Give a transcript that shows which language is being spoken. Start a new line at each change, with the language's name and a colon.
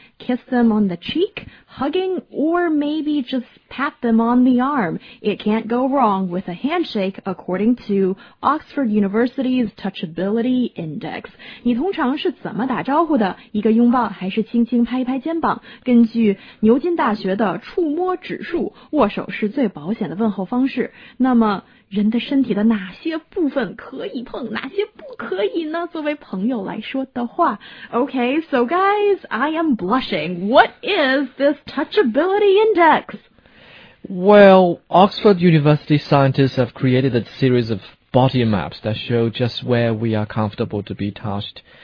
English: Kiss them on the cheek, hugging, or maybe just pat them on the arm? It can't go wrong with a handshake, according to Oxford University's Touchability Index.
Chinese: 你通常是怎么打招呼的？一个拥抱还是轻轻拍一拍肩膀？根据牛津大学的触摸指数，握手是最保险的问候方式。那么人的身体的哪些部分可以碰，哪些不可以呢？作为朋友来说的话。
English: Okay, so guys, I am blushing. What is this touchability index? Well, Oxford University scientists have created a series of body maps that show just where we are comfortable to be touched.